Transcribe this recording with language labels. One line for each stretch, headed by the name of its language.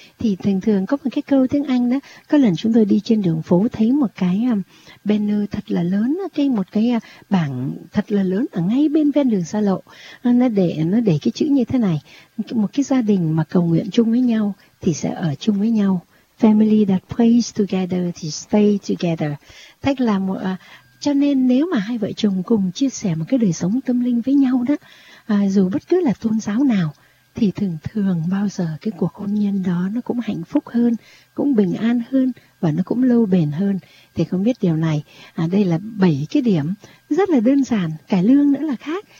Vietnamese: Thì thường thường có một cái câu tiếng Anh đó. Có lần chúng tôi đi trên đường phố thấy một cái banner thật là lớn, một cái bảng thật là lớn ở ngay bên ven đường xa lộ. Nó để cái chữ như thế này: một cái gia đình mà cầu nguyện chung với nhau thì sẽ ở chung với nhau.
English: Family that prays together to stay together.
Vietnamese: Thế là một, cho nên nếu mà hai vợ chồng cùng chia sẻ một cái đời sống tâm linh với nhau đó, dù bất cứ là tôn giáo nào, thì thường thường bao giờ cái cuộc hôn nhân đó nó cũng hạnh phúc hơn, cũng bình an hơn và nó cũng lâu bền hơn. Thì không biết điều này, đây là 7 cái điểm rất là đơn giản, cải lương nữa là khác.